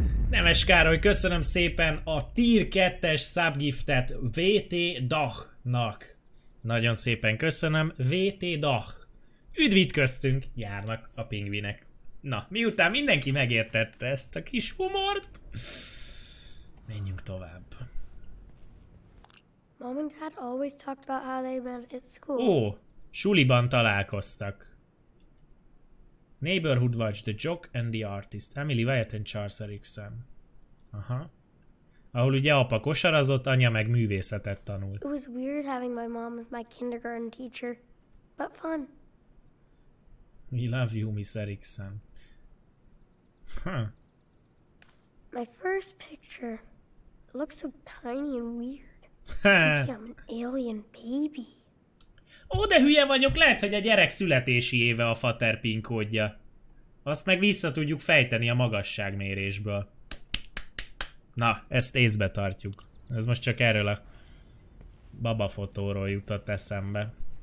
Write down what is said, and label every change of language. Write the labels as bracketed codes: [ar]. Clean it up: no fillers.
[hu] Nemes Károly, köszönöm szépen a Tier 2-es subgiftet VT Dach-nak. Nagyon szépen köszönöm, VT Dach. Üdvít köztünk, járnak a pingvinek. Na, miután mindenki megértette ezt a kis humort, menjünk tovább. [en] Mom and Dad always talked about how they met at school. [hu] Ó, suliban találkoztak. [en] Neighborhood Watch, The Jock and the Artist, Emily Wyatt and Charles Erickson. Aha. [hu] Ahol ugye apa kosarazott, anya meg művészetet tanult. [en] It was weird having my mom as my kindergarten teacher, but fun. We love you, Miss Erickson. My first picture looks so tiny and weird. Maybe I'm an alien baby. [hu] Ó, de hülye vagyok, lehet, hogy a gyerek születési éve a fater PIN kódja. Azt meg vissza tudjuk fejteni a magasságmérésből. Na, ezt észbe tartjuk. Ez most csak erről a baba fotóról jutott eszembe.